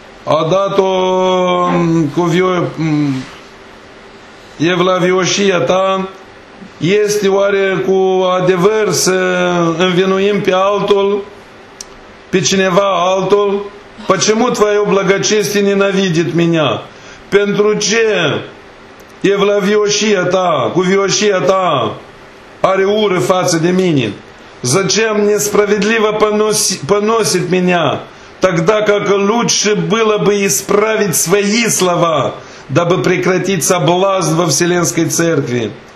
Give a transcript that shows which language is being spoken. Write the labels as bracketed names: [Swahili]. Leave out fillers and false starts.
[Romanian] a dat-o cu evlavioșia ta, este oare cu adevăr să învinuim pe altul, pe cineva altul? [Russian] Почему твое благочестие ненавидит меня? [Romanian] Pentru ce evlavioșia ta, cuvioșia ta are ură față de mine? [Russian] Зачем несправедливо поносит меня? Тогда как лучше было бы исправить свои слова, дабы прекратить соблазн во Вселенской Церкви.